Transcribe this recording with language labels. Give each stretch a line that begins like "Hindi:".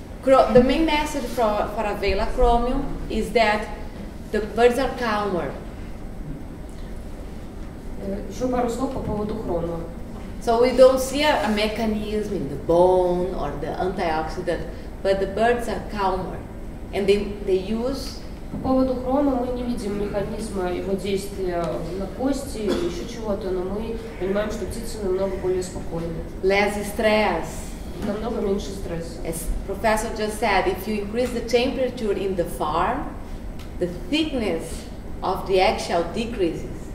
English: The main message for Avella chromium is that the birds are calmer. So we don't see a mechanism in the bone or the antioxidant, but the birds are calmer. And they use.
Russian: По поводу хрома мы не видим механизма его действия на кости или еще чего-то, но мы понимаем, что птицы намного более спокойны.
English: Less stress.
Russian: Намного меньше стресса.
English: As professor just said, if you increase the temperature in the farm, the thickness of the eggshell decreases.